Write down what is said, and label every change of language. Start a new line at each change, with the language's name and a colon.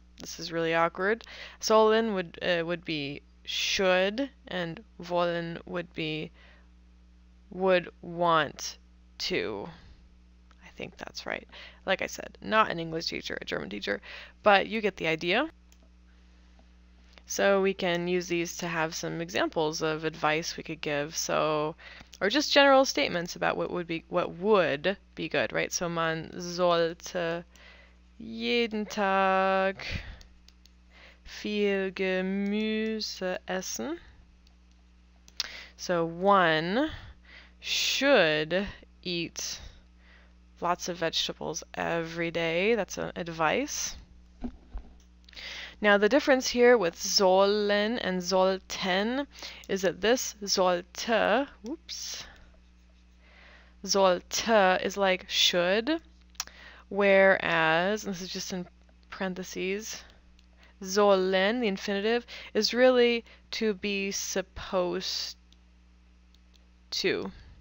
English: This is really awkward. Sollen would be should, and wollen would be would want to. I think that's right. Like I said, not an English teacher, a German teacher, but you get the idea. So we can use these to have some examples of advice we could give. So, or just general statements about what would be good, right?
German: So man sollte jeden Tag viel Gemüse essen.
English: So one should eat lots of vegetables every day. That's an advice. Now the difference here with sollen and sollten is that this sollte, whoops, sollte is like should, whereas, and this is just in parentheses, sollen, the infinitive, is really to be supposed to.